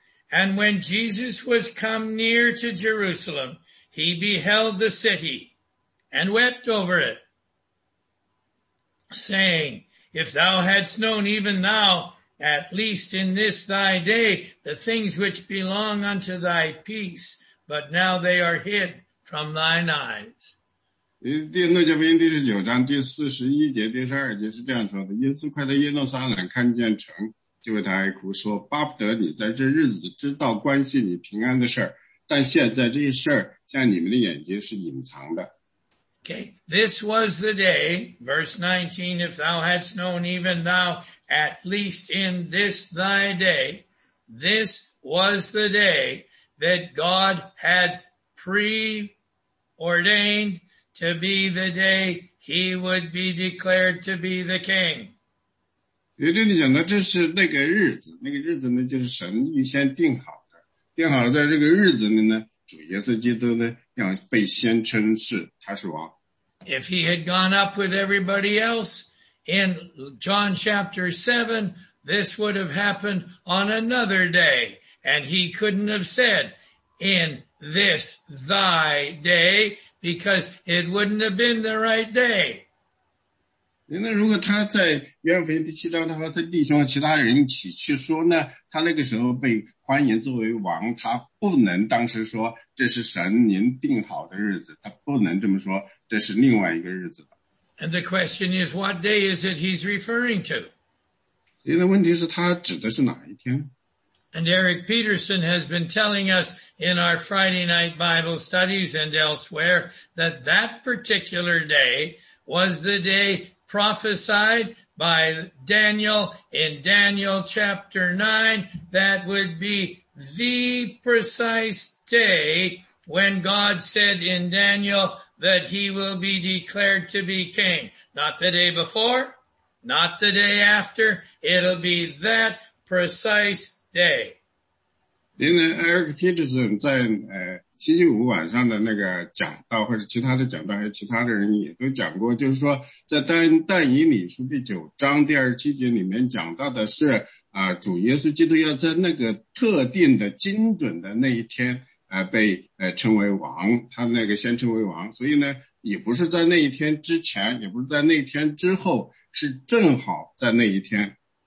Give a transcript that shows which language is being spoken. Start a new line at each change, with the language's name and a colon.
English: And when Jesus was come near to Jerusalem, he beheld the city and wept over it, saying, "If thou hadst known, even now." At least in this thy day, the things which belong unto thy peace, but now they are hid from thine eyes.
Chinese: 列诺加福音第十九章第四十一节第十二节是这样说的，耶稣快到耶路撒冷看见城，就为他哀哭说，巴不得你在这日子知道关系你平安的事儿，但现在这些事儿在你们的眼睛是隐藏的。
English: Okay, this was the day, verse 19, if thou hadst known even thou, at least in this thy day, this was the day that God had preordained to be the day he would be declared to be the king.
Chinese: 也就是讲的这是那个日子，那个日子呢就是神预先定好的，定好了在这个日子里呢，主耶稣基督呢要被先称是他是王。
English: If he had gone up with everybody else in John chapter 7, this would have happened on another day. And he couldn't have said, in this thy day, because it wouldn't have been the right day.
Chinese: 那如果他在约翰福音第七章，他和他弟兄和其他人一起去说呢，他那个时候被欢迎作为王，他不能当时说这是神您定好的日子，他不能这么说，这是另外一个日子。
English: And the question is, what day is it he's referring to?
Chinese: 所以问题是他指的是哪一天？
English: And Eric Peterson has been telling us in our Friday night Bible studies and elsewhere that that particular day was the day prophesied by Daniel in Daniel chapter 9, that would be the precise day when God said in Daniel that he will be declared to be king. Not the day before, not the day after, it'll be that precise day.
Chinese: In Eric Peterson, 在星期五晚上的那个讲道或者其他的讲道还有其他的人也都讲过，就是说在但以理书第九章第二十七节里面讲到的是主耶稣基督要在那个特定的精准的那一天被称为王，他那个先称为王，所以呢也不是在那一天之前，也不是在那一天之后，是正好在那一天。